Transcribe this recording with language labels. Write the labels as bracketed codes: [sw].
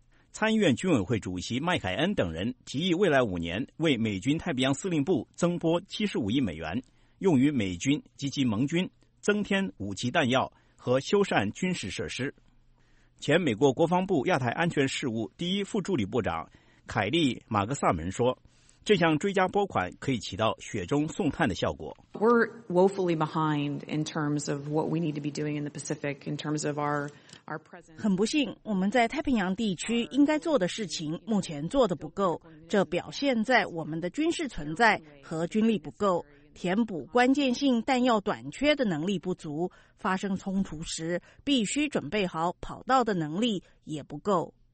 [zh] 参议院军委会主席麦凯恩等人提议，未来五年为美军太平洋司令部增拨75亿美元，用于美军及其盟军增添武器弹药和修缮军事设施。前美国国防部亚太安全事务第一副助理部长凯利·马格萨门说，这项追加拨款可以起到雪中送炭的效果。 [en] We're woefully behind in terms of what we need to be doing in the Pacific in terms of our presence. [zh] 很不幸，我们在太平洋地区应该做的事情目前做得不够，这表现在我们的军事存在和军力不够，填补关键性弹药短缺的能力不足，发生冲突时必须准备好跑道的能力也不够。